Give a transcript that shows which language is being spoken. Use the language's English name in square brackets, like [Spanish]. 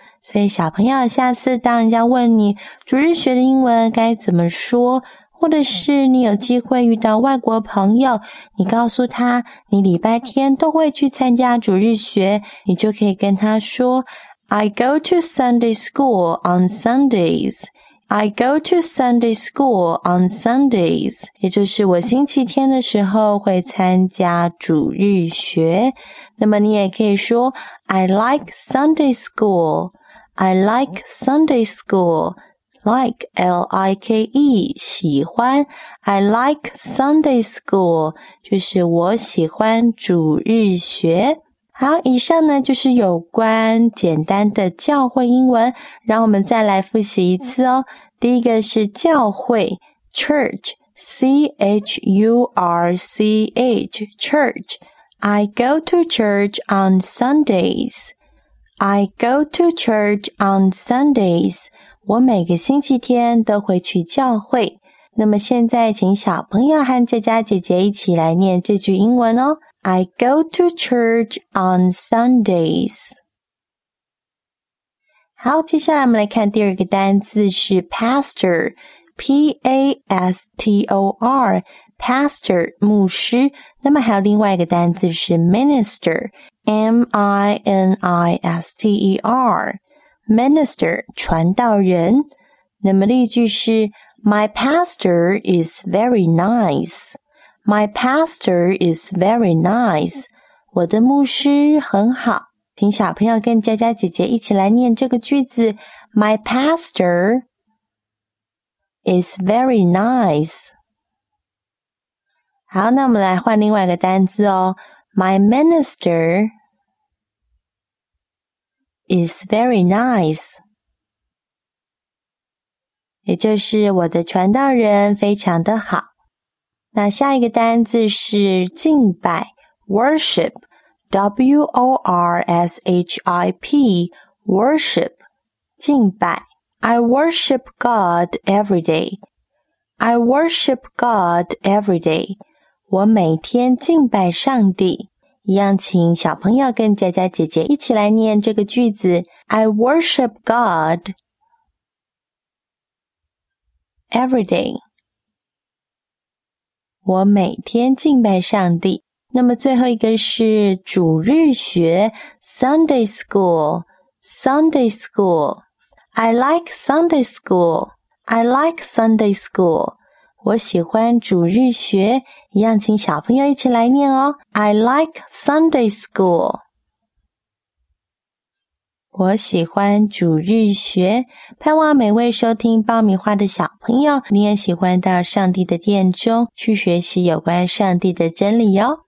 [Chinese] 所以小朋友，下次当人家问你主日学的英文该怎么说，或者是你有机会遇到外国朋友，你告诉他你礼拜天都会去参加主日学，你就可以跟他说 [English] I go to Sunday School on SundaysI go to Sunday school on Sundays, [Chinese] 也就是我星期天的时候会参加主日学。那么你也可以说 [English] I like Sunday school, I like Sunday school, like, L-I-K-E, [Chinese] 喜欢 [English] I like Sunday school, [Chinese] 就是我喜欢主日学。好，以上呢就是有关简单的教会英文，让我们再来复习一次哦。第一个是教会 church, C-H-U-R-C-H, church. [English] I go to church on Sundays. I go to church on Sundays. [Chinese] 我每个星期天都会去教会。那么现在请小朋友和佳佳姐姐一起来念这句英文哦。 [English] I go to church on Sundays. [Chinese] 好，接下来我们来看第二个单字是 pastor, P-A-S-T-O-R, pastor, 牧师。那么还有另外一个单字是 minister, M-I-N-I-S-T-E-R, minister, 传道人。那么例句是 [English] My pastor is very nice. My pastor is very nice. [Chinese] 我的牧师很好。请小朋友跟佳佳姐姐一起来念这个句子。 [English] My pastor is very nice. [Chinese] 好，那我们来换另外一个单字哦。 [English] My minister is very nice. [Chinese] 也就是我的传道人非常的好。那下一个单字是敬拜 ,worship。 [English] W-O-R-S-H-I-P, worship, 敬拜。 I worship God every day. I worship God every day. [Chinese] 我每天敬拜上帝。一样请小朋友跟佳佳姐姐一起来念这个句子。 [English] I worship God every day. [Chinese] 我每天敬拜上帝。那么最后一个是主日学 Sunday school, Sunday school. [English] I like Sunday school, I like Sunday school. [Chinese] 我喜欢主日学，一样请小朋友一起来念哦。 [English] I like Sunday school. [Chinese] 我喜欢主日学，盼望每位收听爆米花的小朋友，你也喜欢到上帝的殿中去学习有关上帝的真理哦。